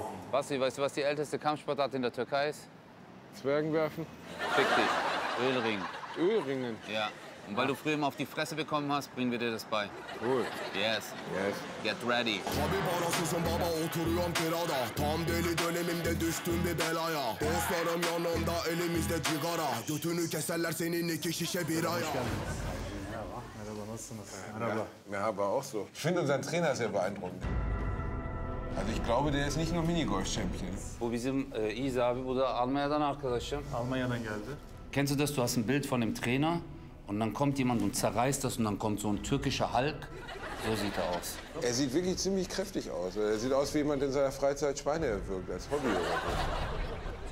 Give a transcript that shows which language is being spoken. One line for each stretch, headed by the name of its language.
German: Basti, weißt du, was die älteste Kampfsportart in der Türkei ist? Zwergenwerfen. Fick dich. Ölring. Ölringen? Ja. Und weil du früher immer auf die Fresse bekommen hast, bringen wir dir das bei. Cool.
English: Yes. Yes. Get ready.
Turkish: Habib arasızım baba oturuyorum kirada. Tam deli dönemimde düştüm bir belaya. Dostlarım yanımda elimizde cigara. Götünü keserler senin iki şişe biraya. Hoş geldin. Merhaba. Merhaba, nasılsınız? Merhaba.
German: Merhaba, auch so. Ich finde unseren Trainer sehr beeindruckend. Also ich glaube, der ist nicht nur Minigolf-Champion.
Turkish: Bu bizim İyiz abi, bu da Almanya'dan arkadaşım. Almanya'dan geldi.
German: Kennst du das? Du hast ein Bild von dem Trainer und dann kommt jemand und zerreißt das und dann kommt so ein türkischer Hulk. So sieht er aus. Er sieht wirklich ziemlich kräftig aus. Er sieht aus wie jemand, der in seiner Freizeit Schweine erwürgt, als Hobby oder so.